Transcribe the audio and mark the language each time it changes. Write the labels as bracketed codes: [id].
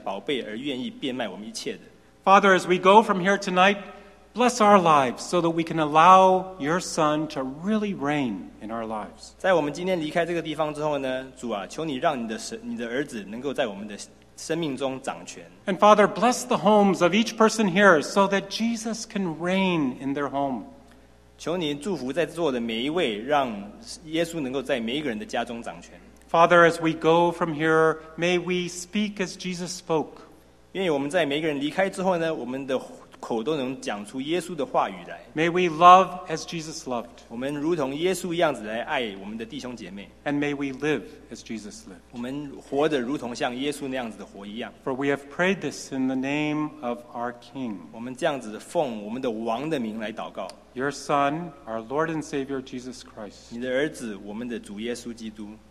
[zh] 谢谢你天国是像这样子的珍珠一样，愿我们每个人都会因为这样子的宝贝而愿意变卖我们一切的。 [en] Father, as we go from here tonight, bless our lives so that we can allow your Son to really reign in our lives. [zh] 在我们今天离开这个地方之后呢，主啊，求你让你的儿子能够在我们的生命中掌权。 [en] And Father, bless the homes of each person here so that Jesus can reign in their home. [zh] 求您祝福在座的每一位，让耶稣能够在每一个人的家中掌权。 [en] Father, as we go from here, may we speak as Jesus spoke. [zh] 愿我们在每一个人离开之后呢，我们的口都能讲出耶稣的话语来。 [en] May we love as Jesus loved. [zh] 我们如同耶稣一样子来爱我们的弟兄姐妹。 [en] And may we live as Jesus lived. [zh] 我们活得如同像耶稣那样子的活一样。 [en] For we have prayed this in the name of our King. [zh] 我们这样子奉我们的王的名来祷告。 [en] Your Son, our Lord and Savior Jesus Christ. [zh] 你的儿子，我们的主耶稣基督。